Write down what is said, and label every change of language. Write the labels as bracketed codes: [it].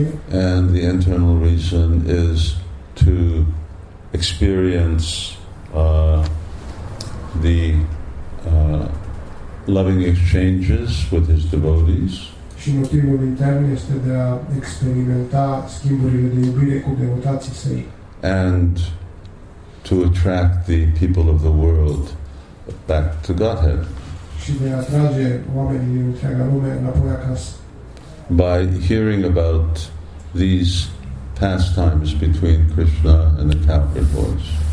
[en] And the internal reason is to experience the loving exchanges with his devotees. [ro] Și motivul intern este de a experimenta schimburile de iubire cu devotații săi. [en] And to attract the people of the world back to Godhead. [ro] Și de a atrage oamenii din întreaga lume înapoi acasă. [en] By hearing about these pastimes between Krishna and the cowherd boys.